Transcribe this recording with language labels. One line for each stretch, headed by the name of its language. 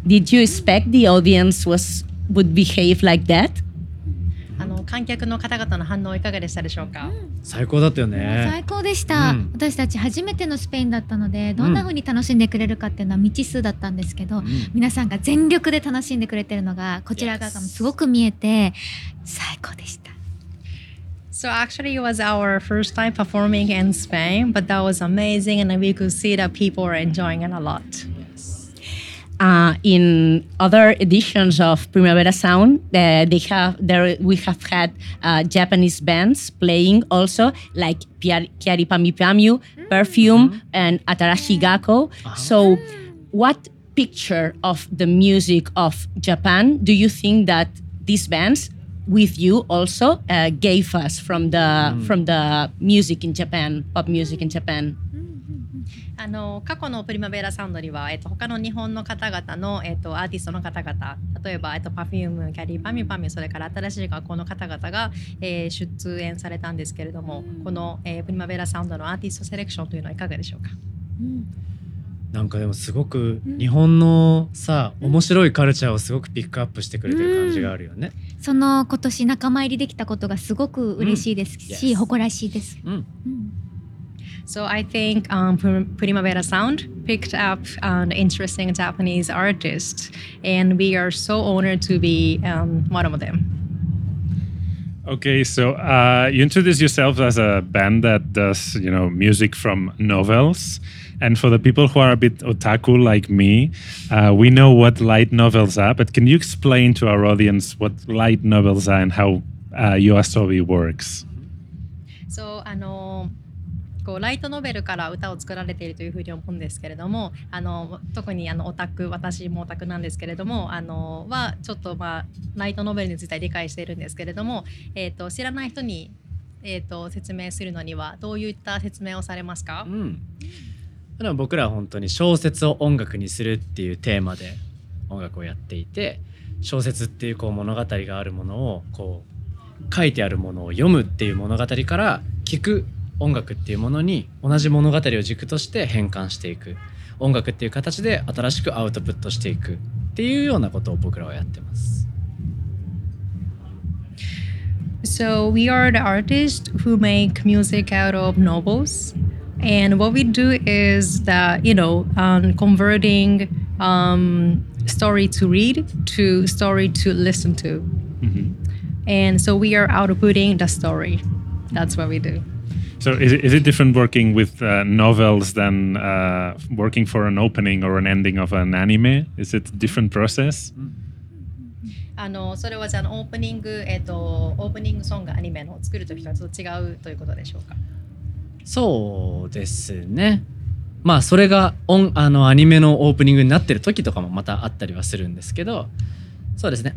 English: Did you expect the audience would behave like that?
Japanese: 観客の方々の反応いかがでしたでしょうか、うん、最高だったよね最高でした、うん、私たち初めてのスペインだったのでどんな風に楽しんでくれるかっていうのは未知数だったんですけど、うん、皆さんが全力で楽しんでくれてるのがこちら側からもすごく見えて最高でした
English: So actually it was our first time performing in Spain but that was amazing and we could see that people were enjoying it a lot In other editions of Primavera Sound, we have had Japanese bands playing also, like Kiari Pami Pamyu, Perfume, and Atarashi Gakko. Uh-huh. So what picture of the music of Japan do you think that these bands, with you also, gave us from the music in Japan, pop music in Japan?
Japanese: あの過去のプリマベラサウンドには、他の日本の方々の、アーティストの方々例えば、Perfume、キャリーパミパミそれから新しい学校の方々が、出演されたんですけれどもこの、プリマベラサウンドのアーティストセレクションというのはいかがでしょうか、うん、なんかでもすごく日本のさ、うん、面白いカルチャーをすごくピックアップしてくれてる感じがあるよね、うん、その今年仲間入りできたことがすごく嬉しいですし、うん、誇らしいです、うんうん
English: So I think Primavera Sound picked up an interesting Japanese artist and we are so honored to be one of them. Okay, so you introduced yourself as a band that does, you know, music from novels. And for the people who are a bit otaku like me, we know what light novels are, but can you explain to our audience what light novels are and how Yoa Sobi works?
Japanese: So, ライトノベルから歌を作られているというふうに思うんですけれども特にオタク私もオタクなんですけれどもはちょっと、ライトノベルについては理解しているんですけれども、知らない人に、説明するのにはどういった説明をされますか、うん、僕らは本当に小説を音楽にするっていうテーマで音楽をやっていて小説っていう、 こう物語があるものをこう書いてあるものを読むっていう物語から聞く音楽っていうものに同じ物語を軸として変換していく音楽っていう形で新しくアウトプットしていくっていうようなことを僕らはやってます
English: So we are the artists who make music out of novels and what we do is that you know converting story to read to story to listen to、mm-hmm. and so we are outputting the story that's what we dodo. So is it different working with novels than working for an opening or an ending of an anime? Is it a different process?
Japanese: それはじゃあ、オープニングソングアニメのを作るときとはちょっと違うということでしょうか？そうですね。まあそれがアニメのオープニングになってるときとかもまたあったりはするんですけど、そうですね。